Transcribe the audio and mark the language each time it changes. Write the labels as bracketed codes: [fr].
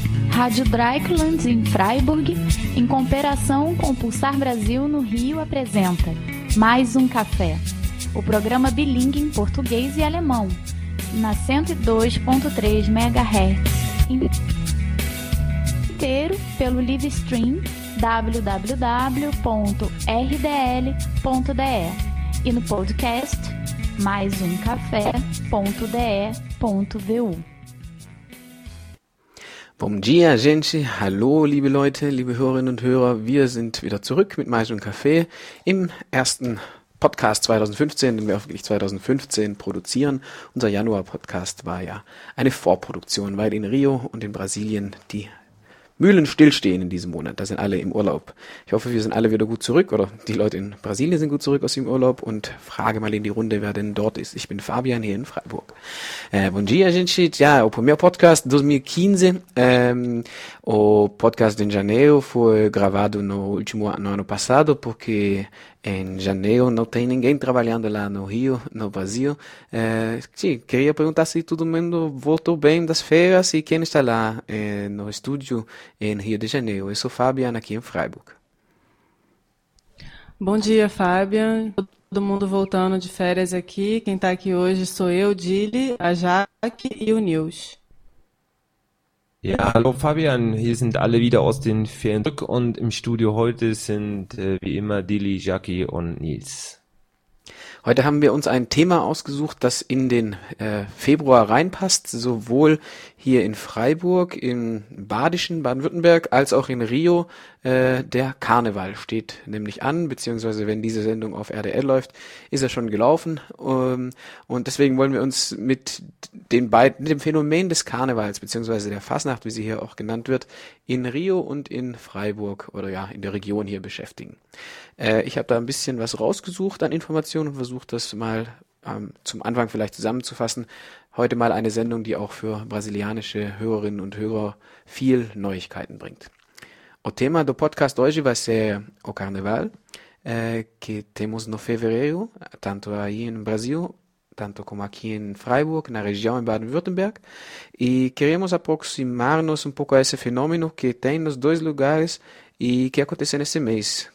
[pt] Rádio Dreieckland em Freiburg, em cooperação com Pulsar Brasil no Rio, apresenta Mais um Café, o programa bilíngue em português e alemão, na 102.3 MHz, inteiro pelo live stream www.rdl.de e no podcast maisumcafé.de.vu. Bom dia, gente. [de] Hallo, liebe Leute, liebe Hörerinnen und Hörer. Wir sind wieder zurück mit Mais und Café im ersten Podcast 2015, den wir hoffentlich 2015 produzieren. Unser Januar-Podcast war ja eine Vorproduktion, weil in Rio und in Brasilien die Mühlen stillstehen in diesem Monat. Da sind alle im Urlaub. Ich hoffe, wir sind alle wieder gut zurück oder die Leute in Brasilien sind gut zurück aus dem Urlaub und frage mal in die Runde, wer denn dort ist. Ich bin Fabian hier in Freiburg. [pt] Bom dia, gente. Ja, o primeiro podcast 2015, o podcast de janeiro foi gravado no último ano, ano passado, porque em janeiro não tem ninguém trabalhando lá no Rio, no Brasil. Queria perguntar se todo mundo voltou bem das férias e quem está lá no estúdio em Rio de Janeiro. Eu sou Fabian aqui em Freiburg. Bom dia, Fabian. Todo mundo voltando de férias aqui. Quem está aqui hoje sou eu, Dili, a Jaque e o Nils. [de] Ja, hallo Fabian, hier sind alle wieder aus den Ferien zurück und im Studio heute sind wie immer Dili, Jaki und Nils. Heute haben wir uns ein Thema ausgesucht, das in den Februar reinpasst, sowohl hier in Freiburg, im Badischen Baden-Württemberg, als auch in Rio. Der Karneval steht nämlich an, beziehungsweise wenn diese Sendung auf RDL läuft, ist er schon gelaufen. Und deswegen wollen wir uns mit dem Phänomen des Karnevals, beziehungsweise der Fasnacht, wie sie hier auch genannt wird, in Rio und in Freiburg oder ja, in der Region hier beschäftigen. Ich habe da ein bisschen was rausgesucht an Informationen und versucht das mal zum Anfang vielleicht zusammenzufassen. Heute mal eine Sendung, die auch für brasilianische Hörerinnen und Hörer viel Neuigkeiten bringt. [pt] O tema do podcast hoje vai ser o carnaval, que temos no fevereiro, tanto aí no Brasil, tanto como aqui em Freiburg, na região em Baden-Württemberg. E queremos aproximar-nos pouco a esse fenômeno que tem nos dois lugares e que aconteceu nesse mês.